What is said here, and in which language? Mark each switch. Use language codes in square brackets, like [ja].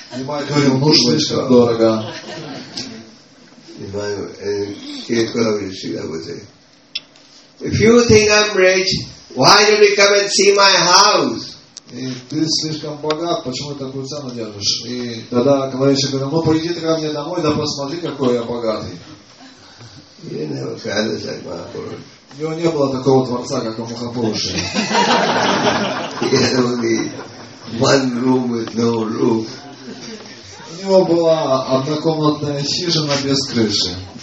[ru] Nimai говорил, ну слишком дорого. [en] Nimai, Kulavaita Sridhar would say, if you think I'm rich, why don't you come and see my house? [ru] И ты слишком богат, почему ты такую цену держишь? И тогда Kulavaita говорил, ну приди ты ко мне домой, да посмотри, какой я богатый. [en] He didn't have a palace like Mahapurusha. [ru] У него не было такого дворца, как у Махапуруши. [en] He had only one room with no roof. [ru] У него была однокомнатная хижина без крыши.